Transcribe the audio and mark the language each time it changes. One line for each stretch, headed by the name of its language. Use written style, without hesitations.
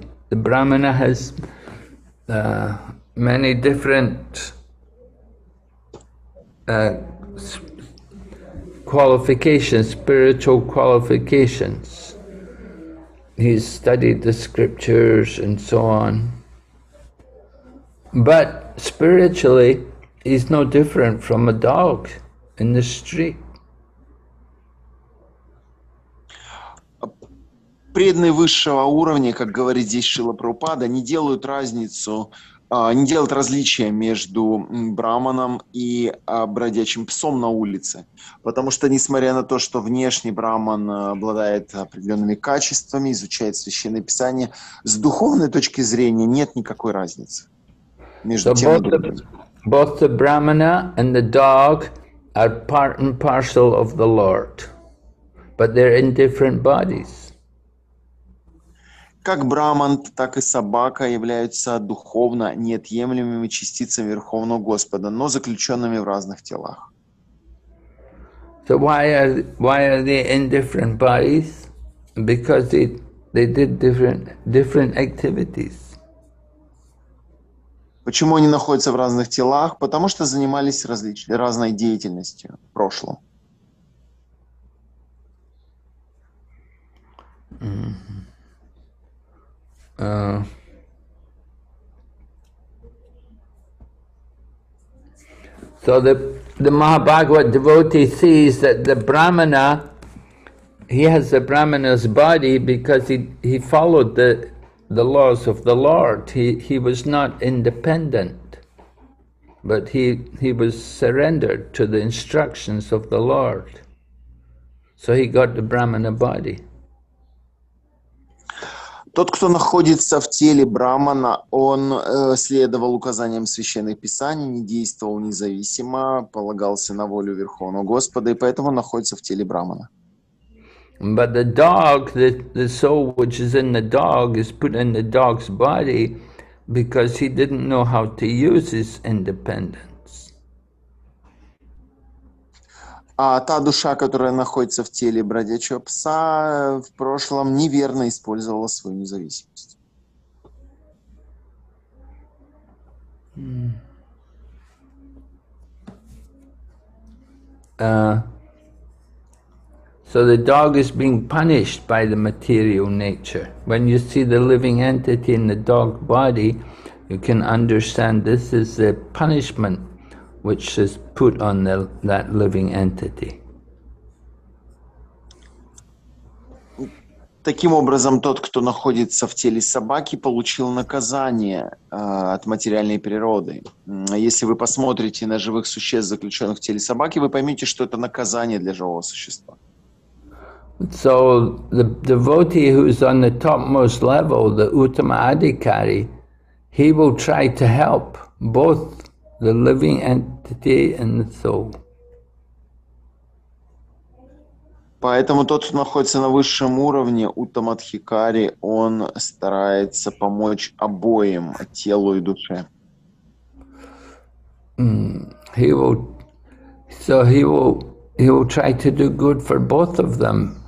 English: The brahmana has many different qualifications, spiritual qualifications. He's studied the scriptures and so on. But spiritually, he's no different from a dog in the street.
Russian: Преданные высшего уровня, как говорит здесь Шрила Прабхупада, не делают разницу не делает различия между браманом и бродячим псом на улице. Потому что, несмотря на то, что внешний браман обладает определенными качествами, изучает Священное Писание, с духовной точки зрения нет никакой разницы между тем и другим.
English: Both the brahmana and the dog are part and parcel of the Lord, but they're in different bodies.
Russian: Как браман, так и собака являются духовно неотъемлемыми частицами Верховного Господа, но заключенными в разных телах.
English: So why are they in different bodies? Because they did different activities.
Russian: Почему они находятся в разных телах? Потому что занимались разной деятельностью в прошлом. Mm-hmm.
English: So the Mahabhagavata devotee sees that the brahmana, he has the brahmana's body because he followed the laws of the Lord. He was not independent, but he was surrendered to the instructions of the Lord. So he got the brahmana body.
Russian: Тот, кто находится в теле брамана, он следовал указаниям священных писаний, не действовал независимо, полагался на волю Верховного Господа, и поэтому находится в теле брамана.
English: But the dog, the soul which is in the dog, is put in the dog's body because he didn't know how to use his independence.
Russian: А та душа, которая находится в теле бродячего пса, в прошлом неверно использовала свою независимость.
English: So the dog is being punished by the material nature. When you see the living entity in the dog body, you can understand this is the punishment which is put on the, that living entity.
Russian: Таким образом, тот, кто находится в теле собаки, получил наказание от материальной природы. Если вы посмотрите на живых существ, заключенных в теле собаки, вы поймете, что это наказание для живого существа.
English: So the devotee who is on the topmost level, the Uttama Adhikari, he will try to help both the living entity and the soul.
Russian: Поэтому тот, кто находится на высшем уровне, Уттама Адхикари, он старается помочь обоим, телу и душе.
English: He will try to do good for both of them.